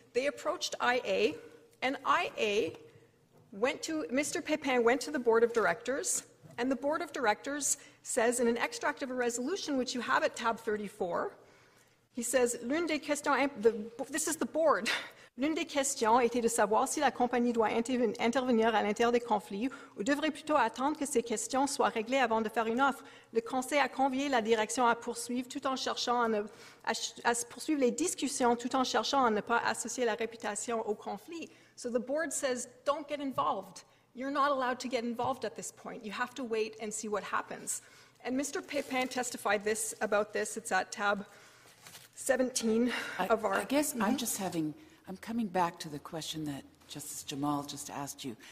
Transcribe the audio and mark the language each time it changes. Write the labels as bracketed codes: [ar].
[en] They approached IA, and IA went to, Mr. Pépin went to the board of directors, and the board of directors says in an extract of a resolution, which you have at tab 34, he says, this is the board. [fr] L'une des questions était de savoir si la compagnie doit intervenir à l'intérieur des conflits ou devrait plutôt attendre que ces questions soient réglées avant de faire une offre. Le conseil a convié la direction à poursuivre tout en cherchant à poursuivre les discussions tout en cherchant à ne pas associer la réputation au conflit. [en] So the board says, don't get involved. You're not allowed to get involved at this point. You have to wait and see what happens. And Mr. Pepin testified this about this. It's at tab 17 of our... I'm coming back to the question that Justice Jamal just asked you.